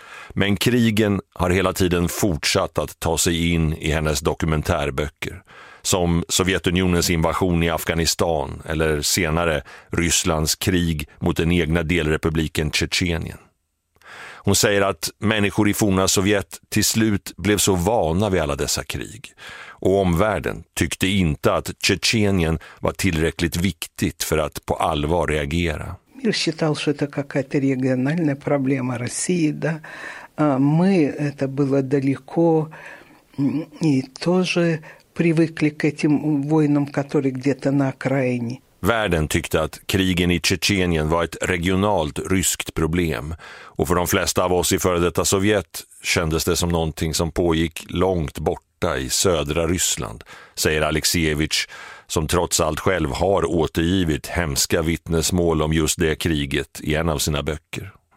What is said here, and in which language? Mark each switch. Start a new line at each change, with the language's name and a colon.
Swedish: Men krigen har hela tiden fortsatt att ta sig in i hennes dokumentärböcker, som Sovjetunionens invasion i Afghanistan eller senare Rysslands krig mot den egna delrepubliken Tjetjenien. Hon säger att människor i forna Sovjet till slut blev så vana vid alla dessa krig, och omvärlden tyckte inte att Tjetjenien var tillräckligt viktigt för att på allvar reagera.
Russian: Мир считал, что это какая-то региональная проблема России, да. Мы это было далеко и тоже привыкли к этим войнам, которые где-то на окраине.
Swedish: Världen tyckte att krigen i Tjetjenien var ett regionalt ryskt problem, och för de flesta av oss i före detta Sovjet kändes det som någonting som pågick långt borta i södra Ryssland, säger Alexievich, som trots allt själv har återgivit hemska vittnesmål om just det kriget i en av sina böcker.